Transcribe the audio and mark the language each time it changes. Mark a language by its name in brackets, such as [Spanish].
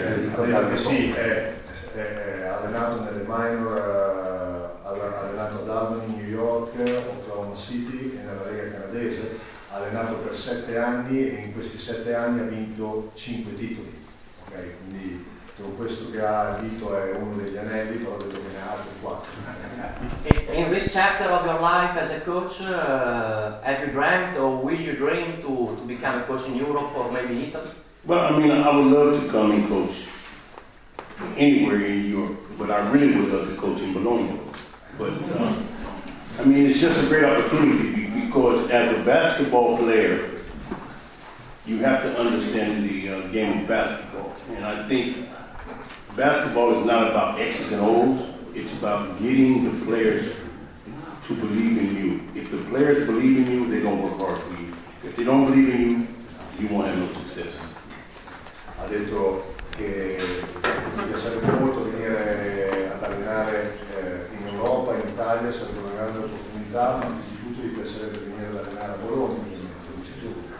[Italian] Allenato nelle minor, allenato ad Albany, New York, Oklahoma City e nella Lega Canadese, allenato per 7 anni e in questi 7 anni ha vinto 5 titoli. Okay? Quindi con questo che ha vinto è uno degli anelli, però devo dire altri 4. [English] In this chapter of your life as a coach, have you dreamt or will you dream to become a coach in Europe or maybe Italy? Well, I mean, I would love to come and coach anywhere in Europe, but I really would love to coach in Bologna. But I mean, it's just a great opportunity because as a basketball player, you have to understand the game of basketball. And I think basketball is not about X's and O's. It's about getting the players to believe in you. If the players believe in you, they're going to work hard for you. If they don't believe in you, you won't have no success. [Italian] Ha detto che mi piacerebbe molto venire ad allenare in Europa, in Italia, sarebbe una grande opportunità, ma innanzitutto mi piacerebbe venire ad allenare a Bologna, come dici tu.